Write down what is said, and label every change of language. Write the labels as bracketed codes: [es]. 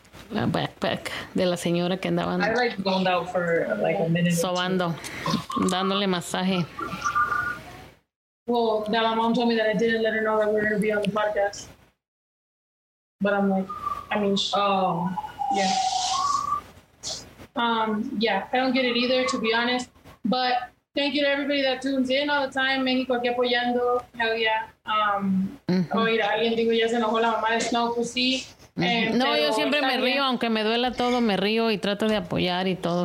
[es] La backpack de la señora que andaba sobando, dándole masaje. [en] Well, now my mom told me that I didn't let her know that we're going to be on the podcast. But I'm like, I mean, I don't get it either, to be honest. But thank you to everybody that tunes in all the time. [es] México aquí apoyando. [en] Hell yeah. [es] Oír a alguien, digo, ya se enojó la mamá de Snow, pues sí. No, yo siempre me río, aunque me duela todo, me río y trato de apoyar y todo.